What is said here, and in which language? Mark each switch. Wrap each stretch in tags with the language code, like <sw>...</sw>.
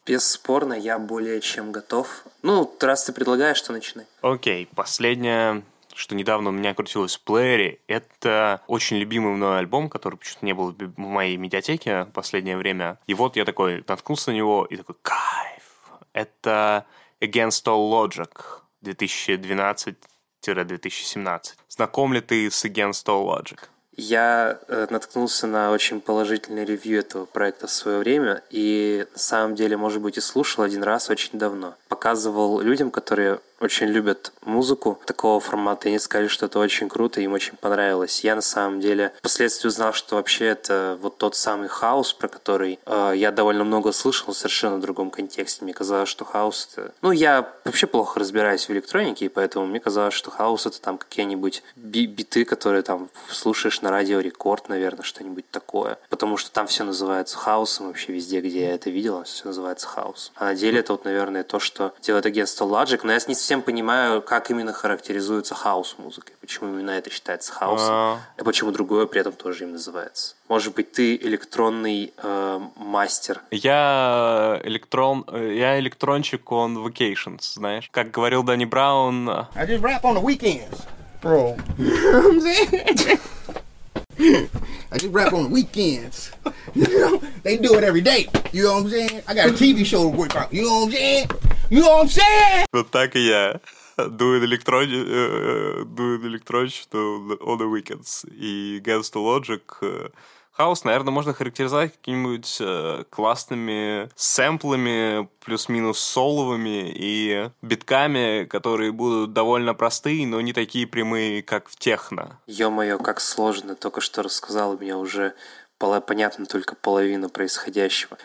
<ru>Бесспорно, я более чем готов. Ну, раз ты предлагаешь, то начинай. Окей, последнее, что недавно у меня крутилось в плеере, это очень любимый мной альбом, который почему-то не был в моей медиатеке в последнее время. И вот я такой наткнулся на него и такой, кайф! Это Against All Logic 2012-2017. Знаком ли ты с Against All Logic? Я наткнулся на очень положительный ревью этого проекта в свое время и, на самом деле, может быть, и слушал один раз очень давно. Показывал людям, которые очень любят музыку такого формата, и они сказали, что это очень круто, им очень понравилось. Я, на самом деле, впоследствии узнал, что вообще это вот тот самый хаос, про который я довольно много слышал, совершенно в другом контексте. Мне казалось, что хаос — это... Ну, я вообще плохо разбираюсь в электронике, и поэтому мне казалось, что хаос — это там какие-нибудь биты, которые там слушаешь на Радио Рекорд, наверное, что-нибудь такое. Потому что там все называется хаосом, вообще везде, где я это видел, все называется хаос. А на деле это вот, наверное, то, что делает агентство Logic, но я не совсем понимаю, как именно характеризуется хаос музыкой, почему именно это считается хаосом, и почему другое при этом тоже им называется. Может быть, ты электронный мастер? Я электрончик</ru> <en>on vacations,</en> <ru>знаешь? Как говорил Дэнни Браун...</ru> <en>I just rap on the weekends, bro. I just rap on the weekends. They do it every day. You know what I'm saying? I got a TV show to work out. You know what I'm saying? You know what I'm saying?</en> <ru>Вот так и я. Дует электронщик</ru> <en>on the weekends.</en> <ru>И Against the Logic. Хаос, наверное, можно характеризовать какими-нибудь классными сэмплами, плюс-минус соловыми и битками, которые будут довольно простые, но не такие прямые, как в техно. Ё-моё, как сложно. Только что рассказал, у меня уже понятно только половина происходящего.</ru>